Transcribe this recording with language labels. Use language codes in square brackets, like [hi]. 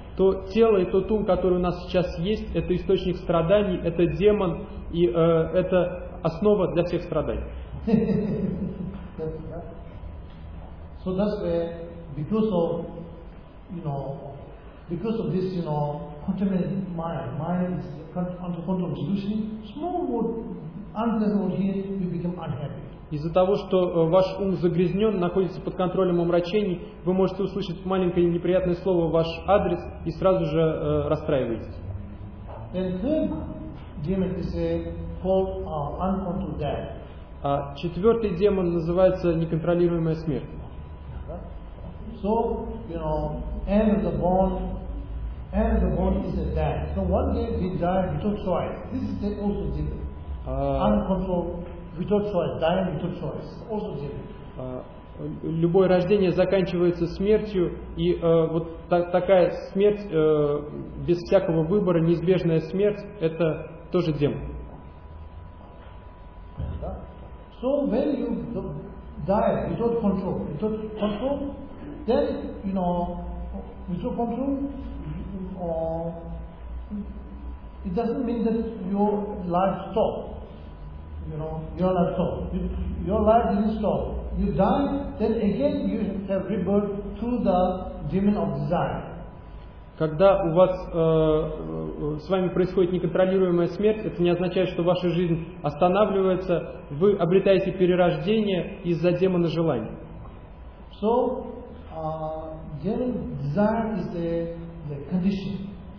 [ru] То тело и тот ум, который у нас сейчас есть, это источник страданий, это демон, и это основа для всех страданий. [en] So that's where, because of this, contaminated mind is under control of delusion, small word, unpleasant here, you become unhappy. [ru] Из-за того, что ваш ум загрязнен, находится под контролем омрачений, вы можете услышать маленькое неприятное слово в ваш адрес и сразу же расстраиваетесь. [en] And third demon is called uncontrolled death. [ru] А четвертый демон называется неконтролируемая смерть. [en] So, you know, end of the bond is a death. So one day we die without choice. This is also demon. Uncontrolled, without choice, dying without choice. Also demon. [ru] Любое рождение заканчивается смертью, и вот такая смерть без всякого выбора, неизбежная смерть, это тоже демон. [en] So when you die without control, then you know. Without control, it doesn't mean that your life stops. You know, your life stops. Your life didn't stop. You die, then again you have rebirth through the demon of desire. [ru] Когда у вас с вами происходит неконтролируемая смерть, это не означает, что ваша жизнь останавливается, вы обретаете перерождение из-за демона желаний. [en] So, demon desire is the condition.